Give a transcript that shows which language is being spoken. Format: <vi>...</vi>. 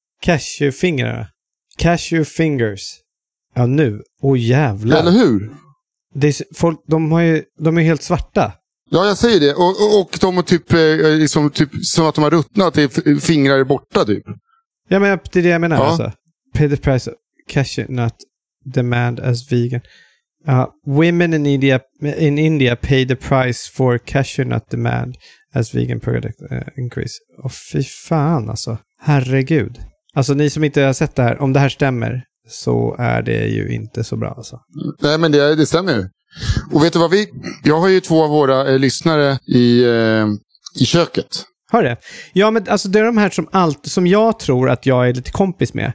<sv>Cashewfingrar. Cashewfingers. Ja, nu. Åh, jävlar. Eller hur? Det är, folk, de är helt svarta. Ja, jag säger det. Och de är typ, liksom, typ som att de har ruttnat, det är fingrar borta typ. Ja, men det är det jag menar. Ja. Alltså.</sv> <en>Pay the price of cashew nut demand as vegan. Women in India, pay the price for cashew nut demand as vegan product increase.</en> <sv>Och fy fan alltså. Herregud. Alltså ni som inte har sett det här, om det här stämmer så är det ju inte så bra alltså. Nej, men det stämmer ju. Och vet du vad vi... Jag har ju två av våra lyssnare i köket. Hör det? Ja, men alltså det är de här som jag tror att jag är lite kompis med.</sv>